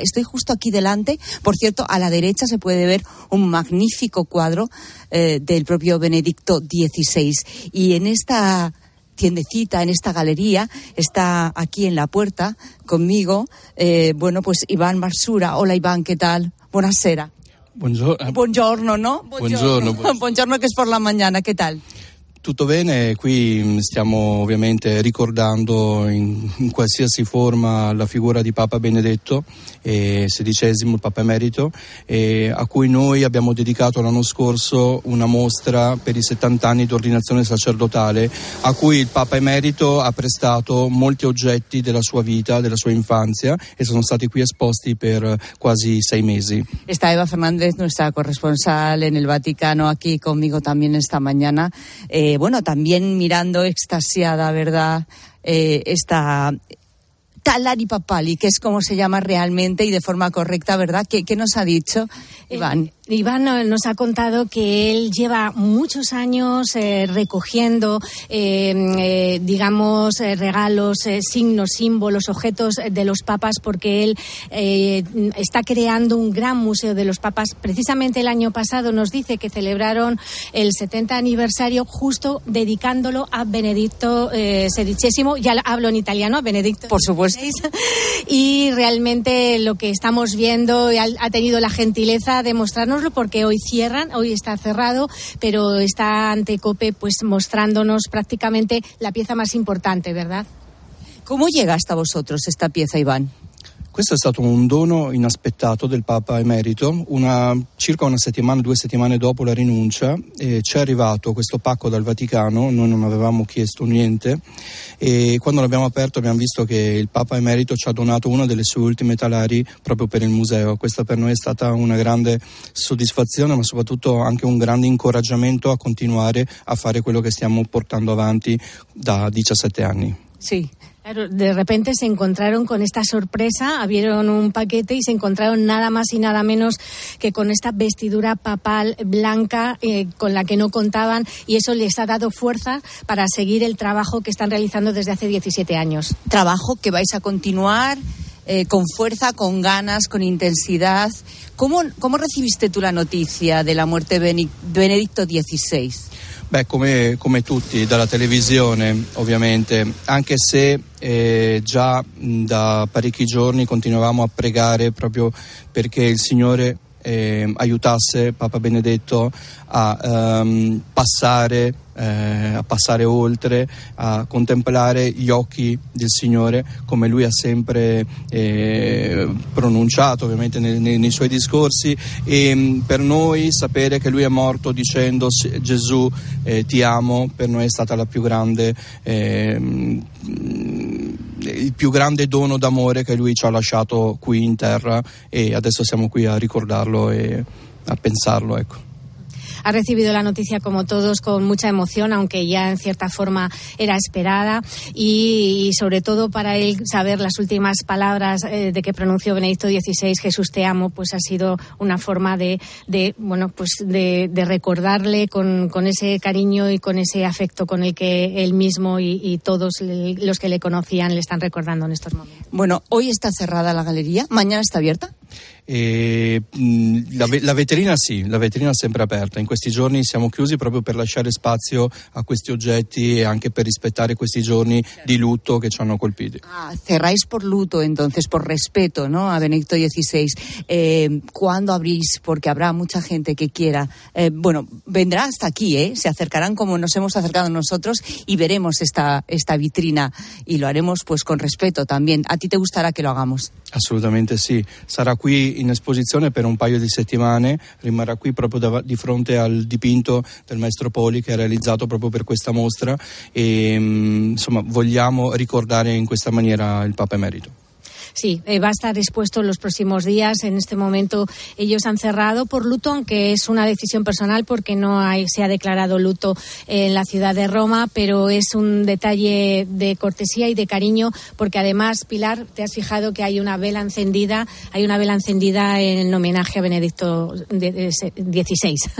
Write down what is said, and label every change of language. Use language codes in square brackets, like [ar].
[es] Estoy justo aquí delante. Por cierto, a la derecha se puede ver un magnífico cuadro del propio Benedicto XVI. Y en esta tiendecita, en esta galería, está aquí en la puerta conmigo, bueno, pues Iván Marsura. Hola, Iván, ¿qué tal? [it] Buonasera. Buongiorno, [es] ¿no? [it] Buongiorno. Buongiorno, [es] que es por la mañana, ¿qué tal? [it] Tutto bene, qui stiamo ovviamente ricordando in qualsiasi forma la figura di Papa Benedetto, XVI Papa Emerito, a cui noi abbiamo dedicato l'anno scorso una mostra per i 70 anni di ordinazione sacerdotale, a cui il Papa Emerito ha prestato molti oggetti della sua vita, della sua infanzia, e sono stati qui esposti per quasi sei mesi. Sta Eva Fernandez, nostra corresponsale nel Vaticano, qui [es] conmigo también esta mañana. Bueno, también mirando extasiada, ¿verdad?, esta talari papali, que es como se llama realmente y de forma correcta, ¿verdad? ¿Qué nos ha dicho Iván? Iván nos ha contado que él lleva muchos años recogiendo, digamos, regalos, signos, símbolos, objetos de los papas, porque él está creando un gran museo de los papas. Precisamente el año pasado nos dice que celebraron el 70 aniversario justo dedicándolo a Benedicto XVI. Ya hablo en italiano, a Benedicto. Por supuesto. Y realmente lo que estamos viendo, ha tenido la gentileza de mostrarnos, porque hoy está cerrado, pero está ante COPE pues mostrándonos prácticamente la pieza más importante, ¿verdad? ¿Cómo llega hasta vosotros esta pieza, Iván? [it] Questo è stato un dono inaspettato del Papa Emerito. Circa una settimana, due settimane dopo la rinuncia, ci è arrivato questo pacco dal Vaticano. Noi non avevamo chiesto niente e quando l'abbiamo aperto abbiamo visto che il Papa Emerito ci ha donato una delle sue ultime talari proprio per il museo. Questa per noi è stata una grande soddisfazione, ma soprattutto anche un grande incoraggiamento a continuare a fare quello che stiamo portando avanti da 17 anni. Sì. [es] Claro, de repente se encontraron con esta sorpresa, abrieron un paquete y se encontraron nada más y nada menos que con esta vestidura papal blanca con la que no contaban, y eso les ha dado fuerza para seguir el trabajo que están realizando desde hace 17 años. Trabajo que vais a continuar con fuerza, con ganas, con intensidad. ¿Cómo recibiste tú la noticia de la muerte de Benedicto XVI? [it] Beh, come tutti, dalla televisione ovviamente, anche se già da parecchi giorni continuavamo a pregare proprio perché il Signore aiutasse Papa Benedetto a passare oltre, a contemplare gli occhi del Signore, come lui ha sempre pronunciato ovviamente nei suoi discorsi, e per noi sapere che lui è morto dicendo Gesù ti amo, per noi è stata la più grande il più grande dono d'amore che lui ci ha lasciato qui in terra, e adesso siamo qui a ricordarlo e a pensarlo, ecco. [es] Ha recibido la noticia, como todos, con mucha emoción, aunque ya en cierta forma era esperada, y sobre todo para él saber las últimas palabras de que pronunció Benedicto XVI, Jesús te amo, pues ha sido una forma de recordarle con ese cariño y con ese afecto con el que él mismo y todos los que le conocían le están recordando en estos momentos. Bueno, hoy está cerrada la galería, ¿mañana está abierta? [it] La vetrina sì, la vetrina è sempre aperta. In questi giorni siamo chiusi proprio per lasciare spazio a questi oggetti e anche per rispettare questi giorni di lutto che ci hanno colpito. [es] Cerráis por luto, entonces, por respeto, ¿no?, a Benedicto XVI. ¿Cuándo abrís? Porque habrá mucha gente que quiera. Bueno, vendrá hasta aquí, ¿eh? Se acercarán como nos hemos acercado nosotros y veremos esta vitrina, y lo haremos pues con respeto también. ¿A ti te gustará que lo hagamos? [it] Assolutamente sì. Sarà qui in esposizione per un paio di settimane, rimarrà qui proprio di fronte al dipinto del maestro Poli che ha realizzato proprio per questa mostra, e insomma vogliamo ricordare in questa maniera il Papa Emerito. [es] Sí, va a estar expuesto los próximos días. En este momento ellos han cerrado por luto, aunque es una decisión personal porque se ha declarado luto en la ciudad de Roma, pero es un detalle de cortesía y de cariño, porque además, Pilar, te has fijado que hay una vela encendida en el homenaje a Benedicto XVI.